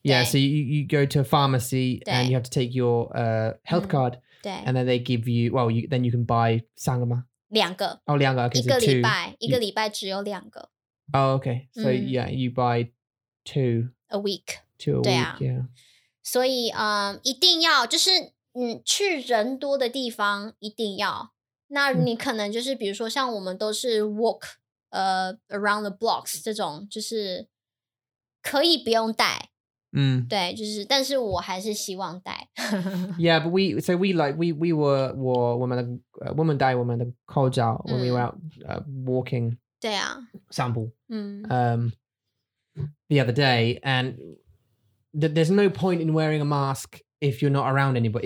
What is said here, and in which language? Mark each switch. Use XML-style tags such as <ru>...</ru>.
<en>So you go to a pharmacy and you have to take your health card.</en> <zh>对</zh> <en>，and then they give you well, you, then you can buy</en> <zh>三个吗？两个。哦，两个。一个礼拜，一个礼拜只有两个。</zh> <en>Oh, okay. So yeah, you buy two a week. To a week.</en> <zh>所以一定要就是去人多的地方一定要。那你可能就是比如说像我们都是</zh> <en>walk around the blocks</en> <zh>这种就是可以不用带，对，就是，但是我还是希望带。</zh> <en>Yeah, but we were</en> <zh>我们的口罩</zh> <en>when we were out walking.</en> <zh>对啊</zh> <en>Sample. The other day, and there's no point in wearing a mask if you're not around anybody.</en>